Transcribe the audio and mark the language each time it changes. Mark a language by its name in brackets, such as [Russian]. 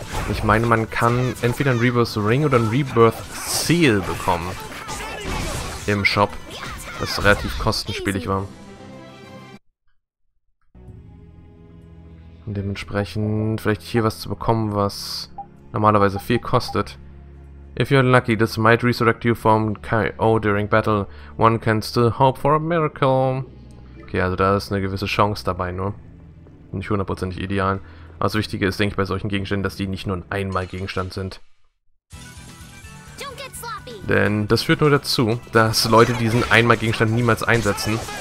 [German] Ich meine, man kann entweder einen Rebirth Ring oder einen Rebirth Seal bekommen. Im Shop. Das ist relativ kostenspielig war. Und dementsprechend vielleicht hier was zu bekommen, was normalerweise viel kostet, [English] If you're lucky, this might resurrect you from KO during battle. One can still hope for a miracle. [German] Okay, also da ist eine gewisse Chance dabei, nur. Nicht hundertprozentig ideal. Aber das Wichtige ist, denke ich, bei solchen Gegenständen, dass die nicht nur ein Einmalgegenstand sind. Denn das führt nur dazu, dass Leute diesen Einmalgegenstand niemals einsetzen.